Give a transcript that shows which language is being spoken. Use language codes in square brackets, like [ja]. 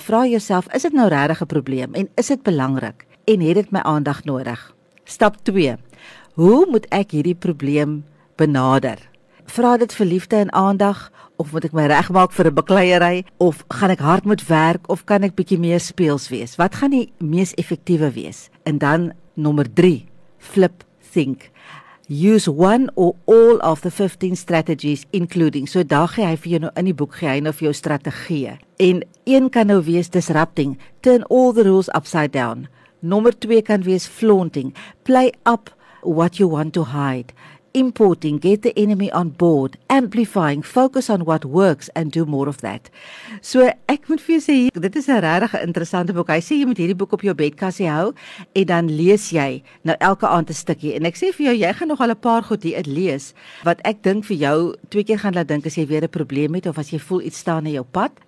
[af] En vra jouself, is dit nou regtig 'n probleem en is dit belangrik en het dit my aandag nodig? Stap 2. Hoe moet ek hierdie probleem benader? Vra dit vir liefde en aandag of moet ek my regmaak vir 'n bekleierery of gaan ek hard moet werk of kan ek bietjie meer speels wees? Wat gaan die mees effektiewe wees? En dan nommer 3, [en] flip think. Use one or all of the 15 strategies including. [af] So daar gee hy vir jou nou in die boek gee hy nou vir jou strategieë. En een kan nou wees [en] disrupting, turn all the rules upside down. [af] Nommer 2 kan wees [en] flaunting, play up what you want to hide. Importing, get the enemy on board. Amplifying, focus on what works and do more of that. [af] So ek moet vir jou sê, dit is 'n regtig interessante boek. Hy sê jy moet hierdie boek op jou bedkassie hou en dan lees jy nou elke aand 'n stukkie. En ek sê vir jou, jy gaan nogal 'n paar goed hier lees wat ek dink vir jou twee keer gaan laat dink as jy weer 'n probleem het of as jy voel iets staan in jou pad.